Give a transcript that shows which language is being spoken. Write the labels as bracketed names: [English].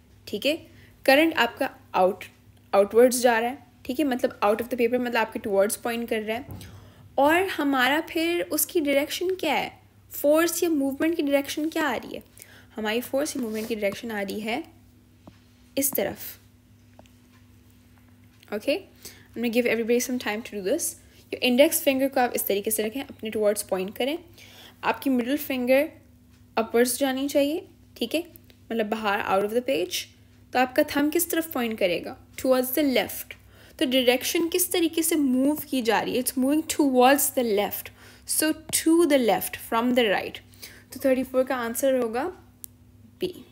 [Hindi] ठीक है, करंट आपका आउटवर्ड्स जा रहा है. ठीक है, मतलब [English] out of the paper [Hindi] मतलब आपके टूवर्ड्स पॉइंट कर रहा है. और हमारा फिर उसकी डायरेक्शन क्या है, फोर्स या मूवमेंट की डायरेक्शन क्या आ रही है, हमारी फोर्स या मूवमेंट की डायरेक्शन आ रही है इस तरफ. [English] Okay, I'm gonna give everybody some time to do this. Your index finger [Hindi] को आप इस तरीके से रखें, अपने towards point करें. आपकी middle finger upwards जानी चाहिए. ठीक है, मतलब बाहर, [English] out of the page. [Hindi] तो आपका thumb किस तरफ point करेगा, [English] towards the left. [Hindi] तो direction किस तरीके से move की जा रही है, [English] it's moving towards the left. So to the left from the right. [Hindi] तो 34 का answer होगा B.